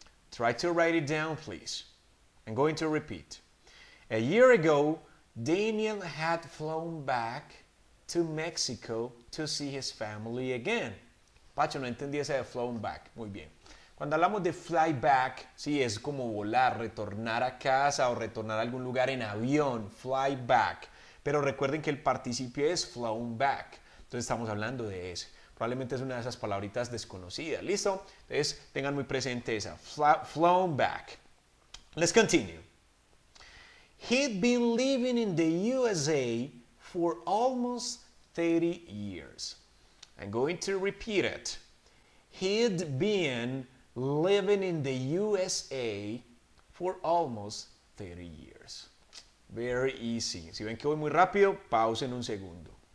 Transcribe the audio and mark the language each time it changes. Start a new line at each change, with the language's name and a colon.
English: Try to write it down, please. I'm going to repeat. A year ago, Daniel had flown back to Mexico to see his family again.
Spanish: Pacho, no entendí ese de flown back. Muy bien. Cuando hablamos de fly back, sí, es como volar, retornar a casa o retornar a algún lugar en avión, fly back. Pero recuerden que el participio es flown back. Entonces estamos hablando de ese. Probablemente es una de esas palabritas desconocidas, ¿listo? Entonces tengan muy presente esa, flown back.
English: Let's continue. He'd been living in the USA for almost 30 years. I'm going to repeat it. He'd been living in the USA for almost 30 years. Very easy.
Spanish: Si ven que voy muy rápido, pausen un segundo.